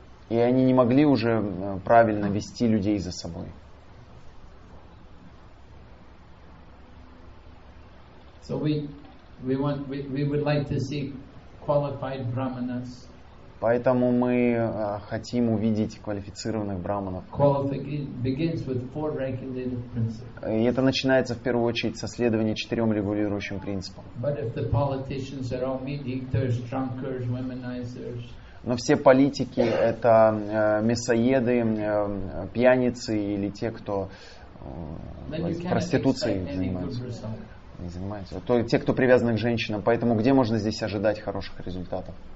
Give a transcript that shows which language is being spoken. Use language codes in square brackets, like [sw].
[ru] И они не могли уже правильно вести людей за собой. [en] So we would like to see qualified brahmanas. [ru] Поэтому мы хотим увидеть квалифицированных брахманов. [en] Begins with four regulative principles. [ru] И это начинается в первую очередь со следования четырем регулирующим принципам. [en] But if the politicians are all meat eaters, drunkards, womanizers. [ru] Но все политики это мясоеды, пьяницы или те, кто проституцией занимаются. То, те, кто привязаны к женщинам. Поэтому где можно здесь ожидать хороших результатов?